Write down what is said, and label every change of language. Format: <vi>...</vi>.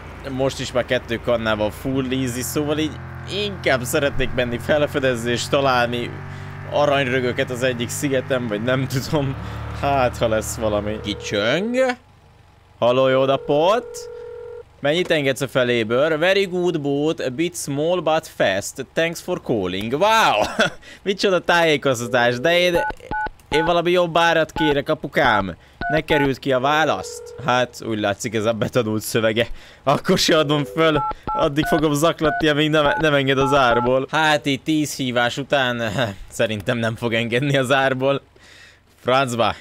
<hu>Most is már kettő kannával full easy, szóval így inkább szeretnék menni felfedezni és találni aranyrögöket az egyik szigeten, vagy nem tudom. Hát, ha lesz valami. Kicsöng? Halló, jó napot? Mennyit engedsz a feléből?</hu> <en>Very good boat, a bit small but fast. Thanks for calling. Wow!</en> <hu>Micsoda tájékoztatás, de én valami jobb árat kérek, apukám. Ne került ki a választ. Hát, úgy látszik ez a betanult szövege. Akkor se adom föl, addig fogom zaklatni, amíg nem enged az árból. Hát így 10 hívás után szerintem nem fog engedni az árból. Francba.</hu>